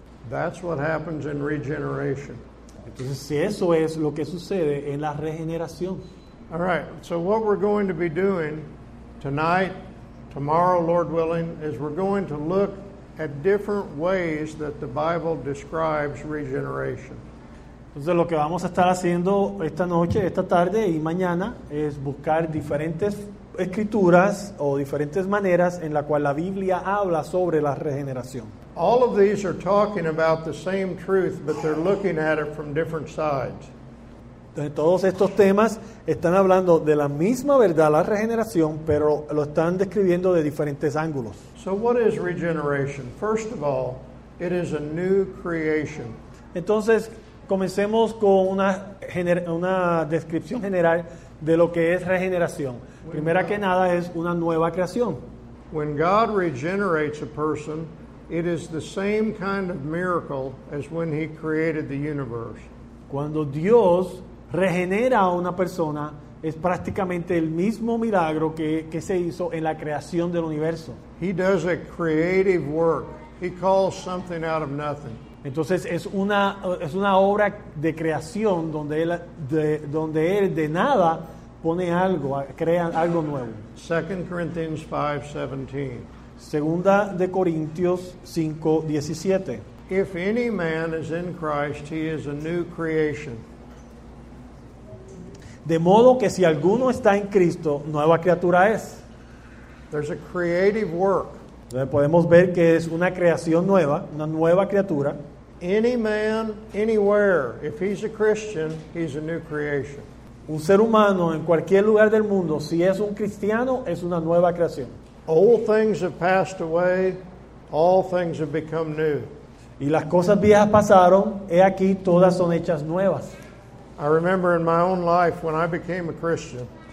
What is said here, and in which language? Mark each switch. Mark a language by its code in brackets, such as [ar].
[en] That's what happens in regeneration. [es] Entonces, si eso es lo que sucede en la regeneración. [en] All right. So what we're going to be doing tonight, tomorrow, Lord willing, is we're going to look at different ways that the Bible describes regeneration. [es] Entonces, lo que vamos a estar haciendo esta noche, esta tarde y mañana es buscar diferentes escrituras o diferentes maneras en la cual la Biblia habla sobre la regeneración. [en] All of these are talking about the same truth, but they're looking at it from different sides. [es] Entonces, todos estos temas están hablando de la misma verdad, la regeneración, pero lo están describiendo de diferentes ángulos. [en] So what is regeneration? First of all, it is a new creation. [es] Entonces, comencemos con una descripción general de lo que es regeneración. Primera que nada, es una nueva creación. [en] When God regenerates a person, it is the same kind of miracle as when he created the universe. [es] Cuando Dios regenera a una persona, es prácticamente el mismo milagro que se hizo en la creación del universo. [en] He does a creative work. He calls something out of nothing. [es] Entonces es una obra de creación donde él de nada pone algo, crea algo nuevo. [en] 2 Corinthians 5:17. [es] Segunda de Corintios 5:17. [en] If any man is in Christ, he is a new creation. [es] De modo que si alguno está en Cristo, nueva criatura es. [en] There's a creative work. [es] Entonces podemos ver que es una creación nueva, una nueva criatura. [en] Any man, anywhere, if he's a Christian, he's a new creation. [es] Un ser humano en cualquier lugar del mundo, si es un cristiano, es una nueva creación. [en] Old things have passed away, all things have become new. [es] Y las cosas viejas pasaron, he aquí todas son hechas nuevas. [en] I remember in my own life when I became a Christian.